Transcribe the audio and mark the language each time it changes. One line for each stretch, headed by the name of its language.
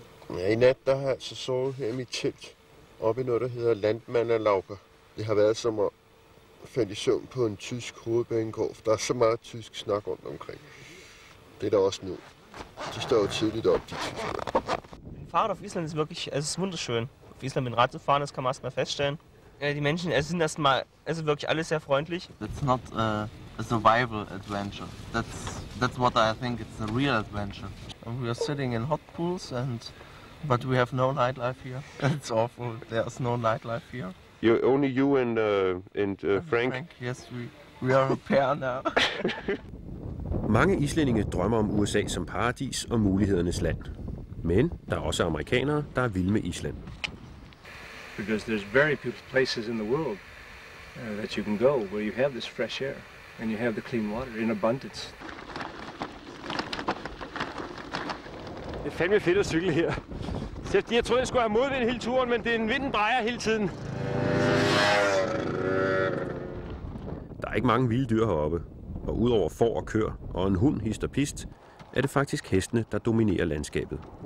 Danish: Ja, i nat der har jeg så sovet her i mit telt, op i noget, der hedder Landmannalauge. Det har været som at falde i søvn på en tysk hovedbanegård, for der er så meget tysk snak rundt omkring. Det er der også nu. De står jo tidligt op, de tyskere.
German: Fahrrad auf Island ist wirklich, es ist wunderschön. Auf Island mit dem Rad zu fahren, das kann man erst mal feststellen. Die Menschen, es sind erst mal, es ist wirklich alles sehr freundlich.
English: It's not a survival adventure. That's what I think. It's a real adventure. We are sitting in hot pools and, but we have no nightlife here. It's awful. There's no nightlife here. You only you and Frank. Frank, yes, we are a pair now.
Danish: Mange islændinge drømmer om USA som paradis og mulighedernes land. Men der er også amerikanere, der er vilde med Island.
English: Because there's very few places in the world that you can go where you have this fresh air and you have the clean water in abundance.
Danish: Det er fandme fedt at cykle her. Selv jeg troede jeg skulle have modvind hele turen, men det er en vinden drejer hele tiden. Der er ikke mange vilde dyr heroppe, og udover får og køer og en hund hist og pist, er det faktisk hestene, der dominerer landskabet.